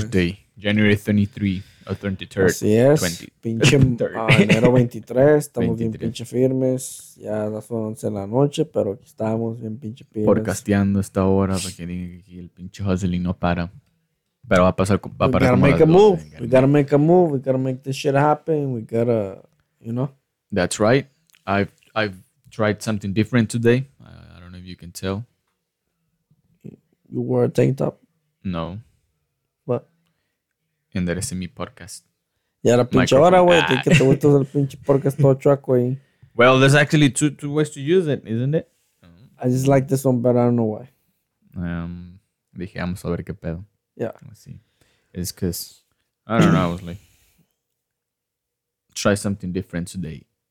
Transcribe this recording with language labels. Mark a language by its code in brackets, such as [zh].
[en] Thursday, January 23. A 23rd, [es] así es, 20, pinche enero 23, estamos 23. Bien pinche firmes, ya las 11 de la noche, pero aquí estamos bien pinche firmes. Podcasteando esta hora, para que diga que el pinche hustling no para, pero va a pasar, va a parar. [en] We gotta make a move, we gotta make a move, we gotta make this shit happen, we gotta, you know. That's right, I've tried something different today, I don't know if you can tell. You wore a tank top? No. What? [es] Enderece mi podcast. Ya la pinche hora, güey. Tienes que te gustas el pinche podcast todo chueco ahí. [en] Well, there's actually two ways to use it, isn't it? I just like this one, but I don't know why. [es] Dije, vamos a ver qué pedo. [en] Yeah. Let's see. It's because, I don't know, I was like, try something different today.